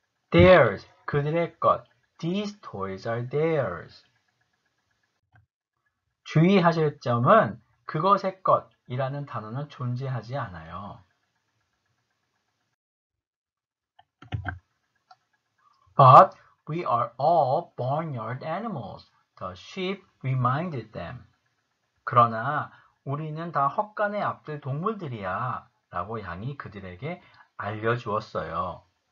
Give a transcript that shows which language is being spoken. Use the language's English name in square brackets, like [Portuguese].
[English] Theirs, [Korean] 그들의 것. [English] These toys are theirs. [Korean] 주의하실 점은 그것의 것. 이라는 단어는 존재하지 않아요. [English] But we are all barnyard animals, the sheep reminded them. [Korean] 그러나 우리는 다 헛간에 앞둘 동물들이야, 라고 양이 그들에게 알려주었어요.